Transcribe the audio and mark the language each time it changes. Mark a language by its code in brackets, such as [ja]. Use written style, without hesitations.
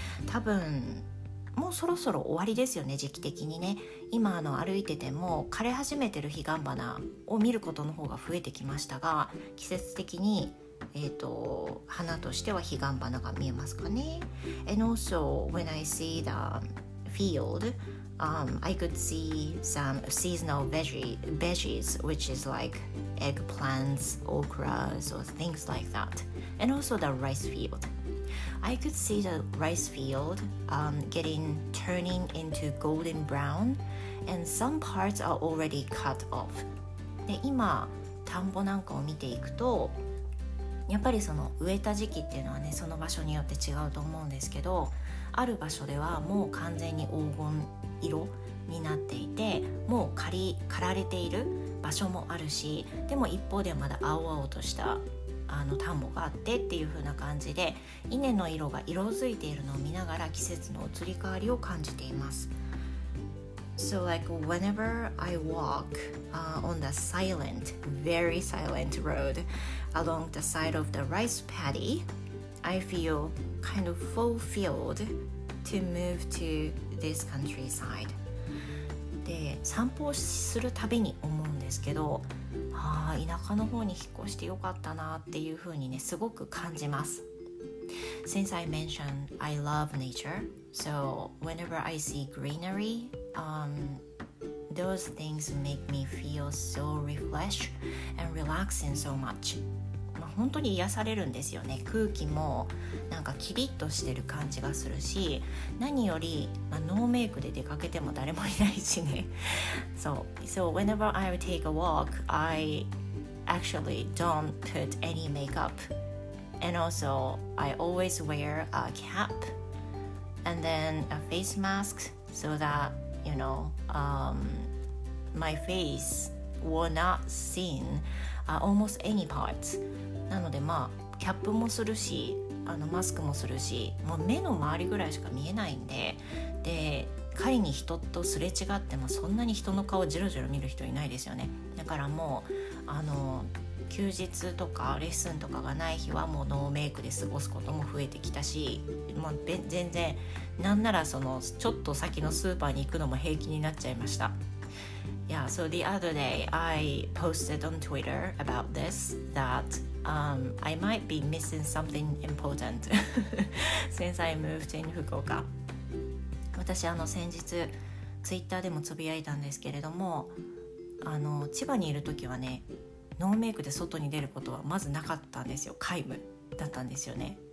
[ja] 多分もうそろそろ終わりですよね、時期的にね。今歩いてても枯れ始めてる彼岸花を見ることの方が増えてきましたが、季節的に花としては彼岸花が見えますかね。 [en] And also when I see the field,I could see some seasonal veggies, which is like eggplants, okras, or things like that. And also the rice field. I could see the rice field turning into golden brown, and some parts are already cut off. [ja] で、今、田んぼなんかを見ていくと、やっぱりその植えた時期っていうのはね、その場所によって違うと思うんですけど、ある場所ではもう完全に黄金色になっていてもう刈られている場所もあるしでも一方ではまだ青々とした田んぼがあってっていう風な感じで稲の色が色づいているのを見ながら季節の移り変わりを感じています [en] So like whenever I walk on the silent, very silent road along the side of the rice paddy I feel kind of fulfilled to move to this countryside. [ja] で、散歩するたびに思うんですけど、ああ、田舎の方に引っ越してよかったなっていうふうにね、すごく感じます。 [en] Since I mentioned I love nature, so whenever I see greenery, those things make me feel so refreshed and relaxing so much. [ja] まあ、本本当に癒されるんですよね。空気もなんかキリッとしてる感じがするし、何より、まあ、ノーメイクで出かけても誰もいないしね。そう、 [en] So whenever I take a walk, I actually don't put any makeup. And also, I always wear a cap and then a face mask so that, you know, my face will not seen almost any parts. [ja] なので、まあ、キャップもするし、あのマスクもするし、もう目の周りぐらいしか見えないんで、で、仮に人とすれ違ってもそんなに人の顔をジロジロ見る人いないですよね。だからもう、あの休日とかレッスンとかがない日はもうノーメイクで過ごすことも増えてきたし、もう全然、なんならそのちょっと先のスーパーに行くのも平気になっちゃいました。 [en] Yeah, so the other day I posted on Twitter about this, that I might be missing something important since I moved in Fukuoka. [ja] 私あの先日 Twitter でもつぶやいたんですけれども、あの千葉にいる時はね、ノーメイクで外に出ることはまずなかったんですよ。皆無だったんですよね。